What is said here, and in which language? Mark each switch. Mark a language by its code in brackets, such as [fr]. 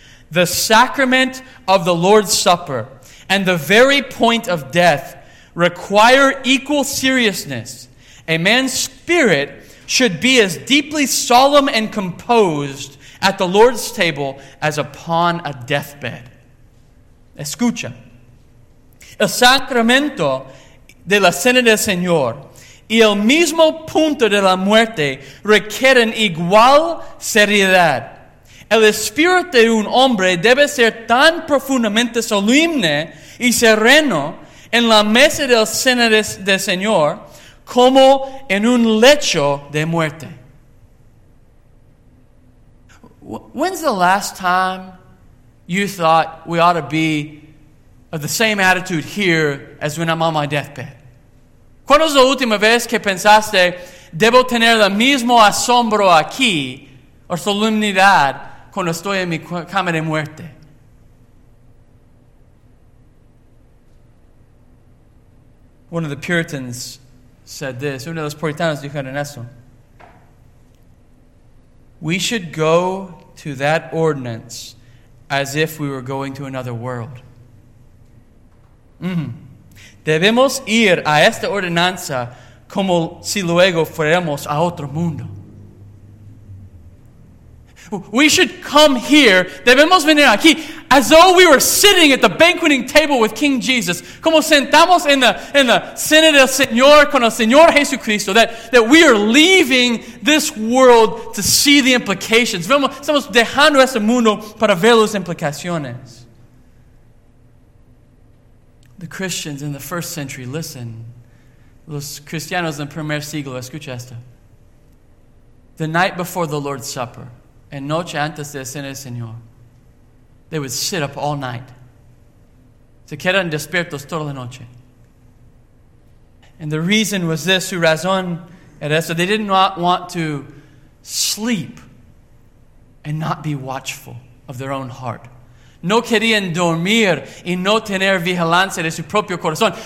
[en] The sacrament of the Lord's Supper and the very point of death require equal seriousness. A man's spirit should be as deeply solemn and composed at the Lord's table as upon a deathbed. [es] Escucha. El sacramento de la cena del Señor y el mismo punto de la muerte requieren igual seriedad. El espíritu de un hombre debe ser tan profundamente solemne y sereno en la mesa del cena del Señor como en un lecho de muerte. [en] When's the last time you thought we ought to be of the same attitude here as when I'm on my deathbed? [es] ¿Cuándo es la última vez que pensaste, debo tener el mismo asombro aquí, o solemnidad, cuando estoy en mi cama de muerte? [en] One of the Puritans said this. [es] Uno de los puritanos dijo en eso. [en] We should go to that ordinance as if we were going to another world. [es] Debemos ir a esta ordenanza como si luego fuéramos a otro mundo. [en] We should come here, [es] debemos venir aquí, [en] as though we were sitting at the banqueting table with King Jesus. [es] Como sentamos en la cena del Señor con el Señor Jesucristo. [en] That we are leaving this world to see the implications. [es] Estamos dejando este mundo para ver las implicaciones. [en] The Christians in the first century, listen. [es] Los cristianos en primer siglo, escucha esto. [en] The night before the Lord's Supper. [es] En noche antes de la cena del Señor. [en] They would sit up all night. [es] Se quedan despiertos toda la noche. [en] And the reason was this. [es] Su razón era eso. [en] They did not want to sleep and not be watchful of their own heart. [es] No querían dormir y no tener vigilancia de su propio corazón.